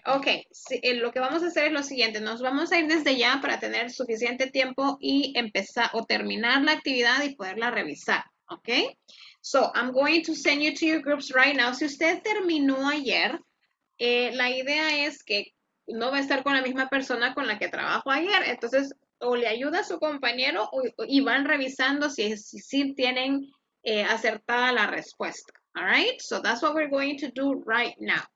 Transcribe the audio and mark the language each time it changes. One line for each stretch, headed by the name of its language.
Spanish: Okay, sí, lo que vamos a hacer es lo siguiente. Nos vamos a ir desde ya para tener suficiente tiempo y empezar o terminar la actividad y poderla revisar, okay?
English: So, I'm going to send you to your groups right now.
Spanish: Si usted terminó ayer, la idea es que no va a estar con la misma persona con la que trabajó ayer. Entonces, o le ayuda a su compañero y van revisando si tienen acertada la respuesta.
English: All right? So, that's what we're going to do right now.